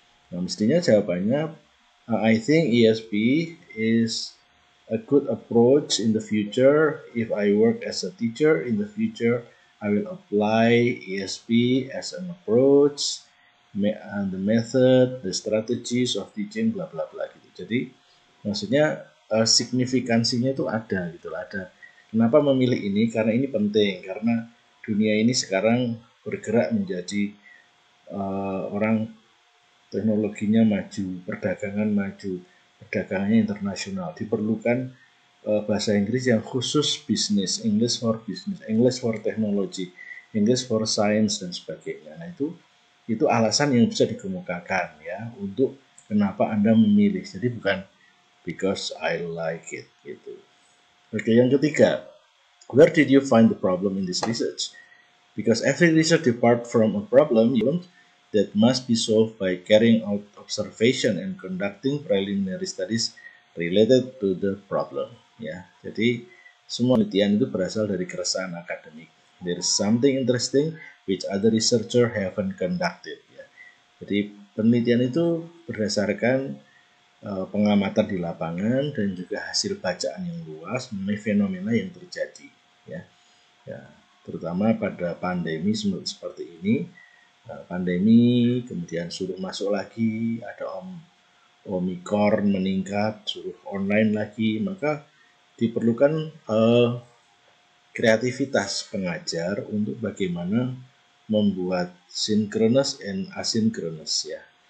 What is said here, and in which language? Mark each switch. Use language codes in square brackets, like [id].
[id] Nah, mestinya jawabannya, [en] I think ESP is a good approach in the future. If I work as a teacher in the future, I will apply ESP as an approach, and the method, the strategies of teaching, blah blah blah gitu. [id] Jadi maksudnya signifikansinya itu ada gitu, ada. Kenapa memilih ini? Karena ini penting. Karena dunia ini sekarang bergerak menjadi orang teknologinya maju, perdagangan maju, perdagangannya internasional. Diperlukan bahasa Inggris yang khusus bisnis, [en] English for business, English for technology, English for science [id] dan sebagainya. Nah, itu alasan yang bisa dikemukakan ya untuk kenapa Anda memilih. Jadi bukan [en] because I like it [id] gitu. Oke, yang ketiga, [en] where did you find the problem in this research? Because every research depart from a problem that must be solved by carrying out observation and conducting preliminary studies related to the problem. [id] Ya, jadi semua penelitian itu berasal dari keresahan akademik. [en] There's something interesting which other researcher haven't conducted. [id] Ya. Jadi penelitian itu berdasarkan pengamatan di lapangan dan juga hasil bacaan yang luas mengenai fenomena yang terjadi. Ya, ya, terutama pada pandemi seperti ini. Pandemi, kemudian suruh masuk lagi, ada Omikron meningkat, suruh online lagi, maka diperlukan kreativitas pengajar untuk bagaimana membuat [en] synchronous and asynchronous [id] ya.